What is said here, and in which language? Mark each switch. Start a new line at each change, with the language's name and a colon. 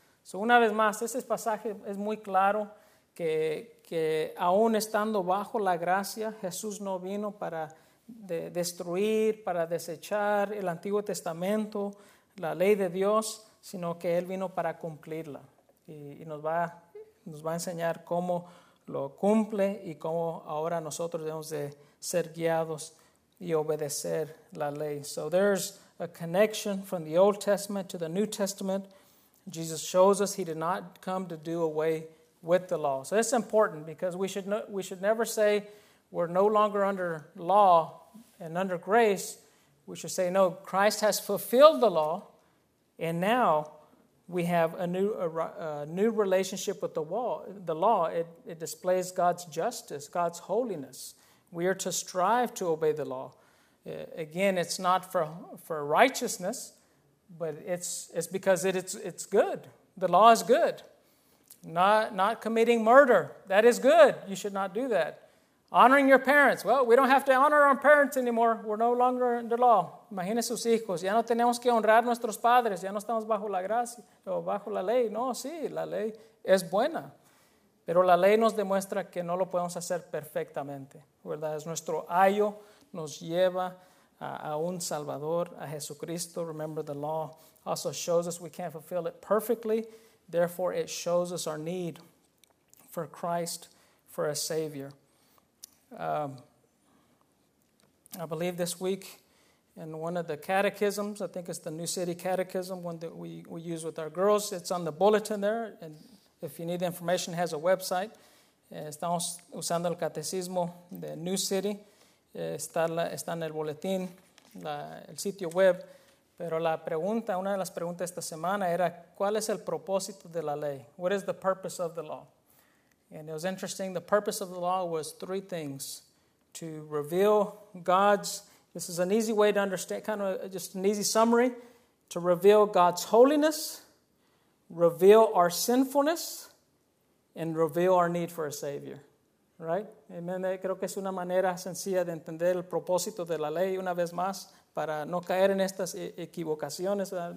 Spanish: So, una vez más, este pasaje es muy claro que aún estando bajo la gracia, Jesús no vino para destruir, para desechar el Antiguo Testamento, la ley de Dios, sino que Él vino para cumplirla. Y nos va a enseñar cómo lo cumple y cómo ahora nosotros debemos de ser guiados y obedecer la ley.
English: So there's a connection from the Old Testament to the New Testament. Jesus shows us he did not come to do away with the law. So it's important because we should never say we're no longer under law and under grace. We should say, no, Christ has fulfilled the law and now we have a new relationship with the law. It displays God's justice, God's holiness. We are to strive to obey the law. Again, it's not for righteousness, but it's because it's good. The law is good. Not committing murder, that is good. You should not do that. Honoring your parents. Well, we don't have to honor our parents anymore. We're no longer under law.
Spanish: Imagínense sus hijos. Ya no tenemos que honrar a nuestros padres. Ya no estamos bajo la gracia o bajo la ley. No, sí, la ley es buena. Pero la ley nos demuestra que no lo podemos hacer perfectamente, ¿verdad? Es nuestro ayo nos lleva a un Salvador, a Jesucristo.
English: Remember, the law also shows us we can't fulfill it perfectly. Therefore, it shows us our need for Christ, for a Savior. I believe this week in one of the catechisms, I think it's the New City Catechism, one that we use with our girls. It's on the bulletin there, and if you need the information, it has a website.
Spanish: Estamos usando el catecismo de New City. Está en el boletín, el sitio web. Pero la pregunta, una de las preguntas esta semana era, ¿cuál es el propósito de la ley?
English: What is the purpose of the law? And it was interesting, the purpose of the law was three things. To reveal God's, this is an easy way to understand, kind of just an easy summary. To reveal God's holiness, reveal our sinfulness, and reveal our need for a Savior. Right? Amen.
Spanish: Creo que es una manera sencilla de entender el propósito de la ley, una vez más, para no caer en estas equivocaciones.